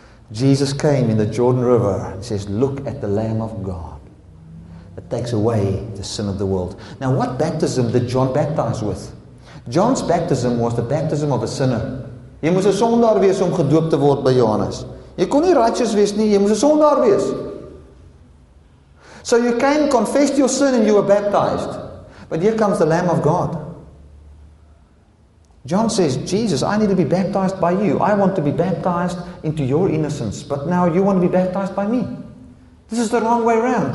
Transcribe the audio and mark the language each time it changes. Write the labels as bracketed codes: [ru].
[en] Jesus came in the Jordan River and says, "Look at the Lamb of God that takes away the sin of the world." Now, what baptism did John baptize with? John's baptism was the baptism of a sinner. [af] Jy moes 'n sondaar wees om gedoop te word by Johannes. Jy kon nie righteous wees nie, jy moes 'n sondaar wees. [en] So you came, confessed your sin, and you were baptized. But here comes the Lamb of God. John says, "Jesus, I need to be baptized by you. I want to be baptized into your innocence. But now you want to be baptized by me." This is the wrong way around.